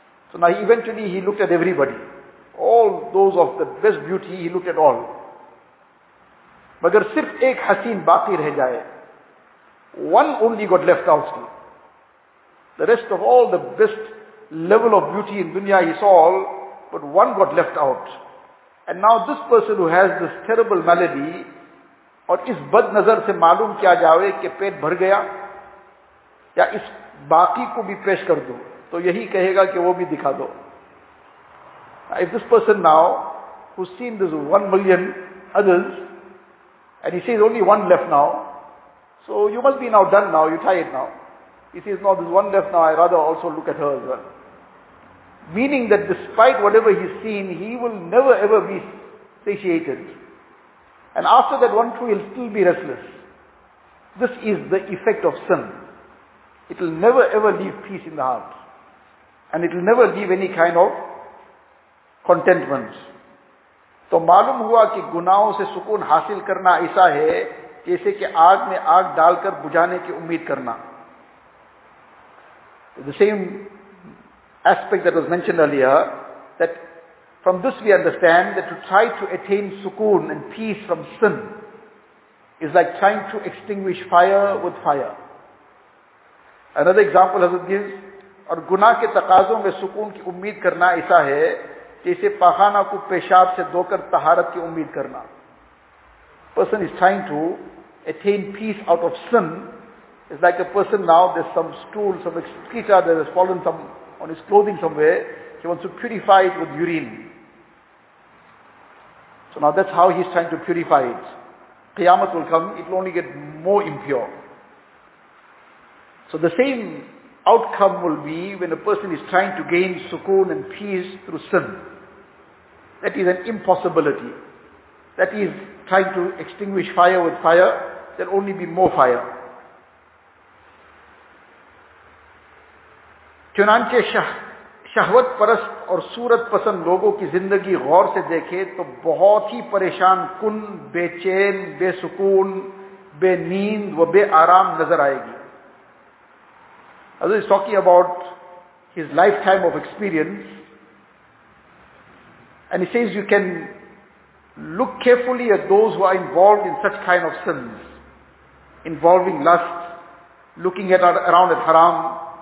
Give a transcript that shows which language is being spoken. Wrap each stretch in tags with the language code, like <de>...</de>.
<en>So now eventually he looked at everybody, all those of the best beauty, he looked at all.</en> <ur>مگر صرف ایک حسین باقی رہ جائے,</ur> <en>one only got left out still. The rest of all the best level of beauty in dunya he saw all, but one got left out. And now this person who has this terrible malady</en> <ur>اور اس بد نظر سے معلوم کیا جاوے کہ پیٹ بھر گیا یا اس باقی کو بھی پیش کر دو تو یہی کہے گا کہ وہ بھی دکھا دو.</ur> <en>If this person now who's seen this 1 million others and he says only one left now, so you must be now done now, you're tired now. He says, no, there's one left now, I rather also look at her as well. Meaning that despite whatever he's seen, he will never ever be satiated. And after that one too, he'll still be restless. This is the effect of sin. It will never ever leave peace in the heart. And it will never leave any kind of contentment.</en> <ur>تو معلوم ہوا کہ گناہوں سے سکون حاصل کرنا ایسا ہے جیسے کہ آگ میں آگ ڈال کر بجھانے کی امید کرنا.</ur> <en>The same aspect that was mentioned earlier, that from this we understand that to try to attain sukoon and peace from sin is like trying to extinguish fire with fire. Another example Hazrat gives,</en> <ur>اور گناہ کے تقاضوں میں سکون کی امید کرنا ایسا ہے جیسے پاخانہ کو پیشاب سے دھو کر طہارت کی امید کرنا.</ur> <en>Person is trying to attain peace out of sin. It's like a person now, there's some stool, some excreta that has fallen some on his clothing somewhere. He wants to purify it with urine. So now that's how he's trying to purify it. Qiyamah will come, it will only get more impure. So the same outcome will be when a person is trying to gain sukoon and peace through sin. That is an impossibility. That is trying to extinguish fire with fire, there will only be more fire.</en> <ur>چنانچہ شہوت پرست اور صورت پسند لوگوں کی زندگی غور سے دیکھے تو بہت ہی پریشان کن، بے چین، بے سکون، بے نیند و بے آرام نظر آئے گی.</ur> <en>حضرت is talking about his lifetime of experience and he says you can look carefully at those who are involved in such kind of sins involving lust, looking at around at haram.</en>